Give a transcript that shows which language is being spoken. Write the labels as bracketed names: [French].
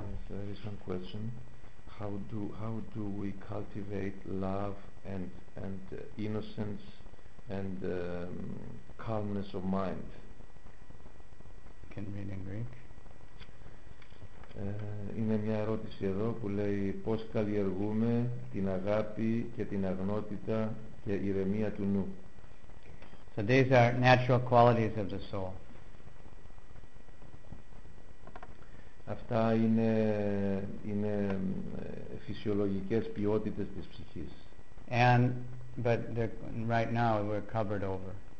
[English] There is one question: how do we cultivate love and innocence and calmness of mind? Can read in Greek. [Greek] Είναι μια ερώτηση εδώ που λέει πώς καλλιεργούμε την αγάπη και την αγνότητα και ηρεμία του νου. [English] So these are natural qualities of the soul. [Greek] Αυτά είναι φυσιολογικές ποιότητες της ψυχής. [English] But right now we're covered over.